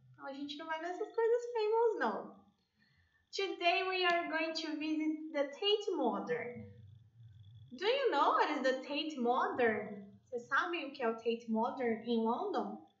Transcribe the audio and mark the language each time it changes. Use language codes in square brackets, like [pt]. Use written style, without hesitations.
[pt] A gente não vai nessas coisas famous, não. [en] Today we are going to visit the Tate Modern. Do you know what is the Tate Modern? [pt] Você sabe o que é o Tate Modern [en] in London?